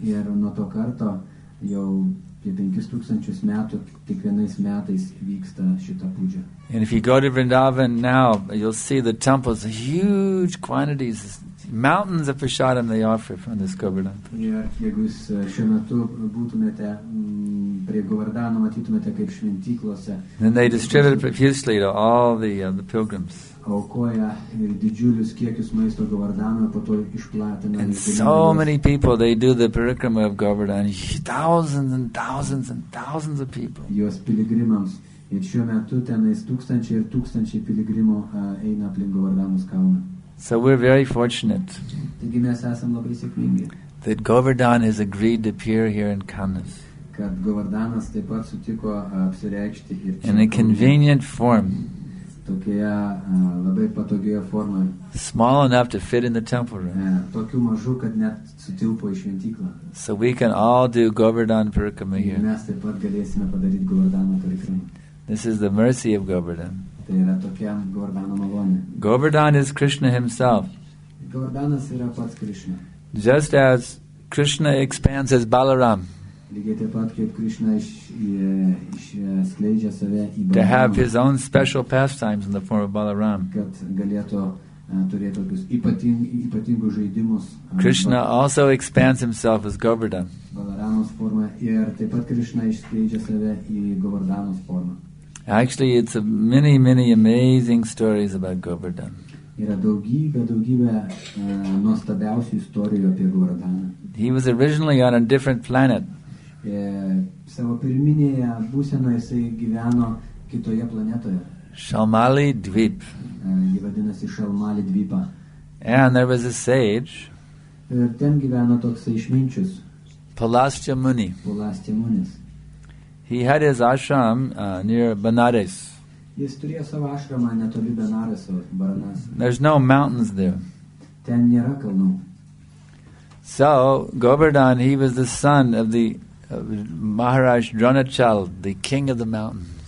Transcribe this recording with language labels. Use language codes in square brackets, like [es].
[en] And if you go to Vrindavan now, you'll see the temples, huge quantities, mountains of prasadam they offer from this Govardhan Puja. [lt] prie Govardano matytumėte kaip šventyklose. [en] And they distributed profusely to all the pilgrims. [lt] Aukoja didžiulius kiekius maisto Govardano, po to išplatina. [en] And so many people, they do the parikrama of Govardhan, thousands and thousands and thousands of people. [lt] Jos piligrimams. Ir šiuo metu tenais tūkstančiai ir tūkstančiai piligrimo eina aplink Govardanos kalną. [en] So we're very fortunate. [lt] Taigi mes esam labai sėkmingi. [en] That Govardhan has agreed to appear here in Kaunas. [lt] Kad Govardanas taip pat sutiko apsireikšti ir [en] in a convenient form. [lt] Tokioje labai patogioje formoje. [en] Small enough to fit in the temple room. [lt] Tokiu mažu, kad net sutilpo į šventyklą. [en] So we can all do Govardhan Parikrama here. [lt] Mes taip pat galėsime padaryti Govardhano Parikrama. [en] This is the mercy of Govardhan. [lt] Tai yra tokia Govardhano malonė. [en] Govardhan is Krishna himself. [lt] Govardhanas yra pats Krishna. [en] Just as Krishna expands as Balaram. [lt] Lygiai taip pat, kaip Krishna išskleidžia save į Balaram. [en] To have his own special pastimes in the form of Balaram. [lt] Kad galėtų turėti tokius ypatingus žaidimus. [en] Krishna also expands himself as Govardhan. [lt] Balaramos forma ir taip pat Krishna išskleidžia save į Govardhanos formą. [en] Actually, it's a many amazing stories about Govardhan. [lt] Yra daugybė nuostabiausių istorijų apie Govardhaną. [en] He was originally on a different planet. [lt] Savo pirminėje būsenoje jisai gyveno kitoje planetoje. [en] Shalmali Dvip. [lt] Jį vadinasi Shalmali Dvipa. [en] And there was a sage. [lt] Ir ten gyveno toks išminčius. [en] Palastya Muni. [lt] Palastya Munis. [en] He had his ashram near Banaras. [lt] Jis turėjo savo ašramą netoli Benaras, Baranas. [en] There's no mountains there. [lt] Ten nėra kalnų. [en] So, Govardhan, he was the son of the Maharaj Dronachal, the king of the mountains.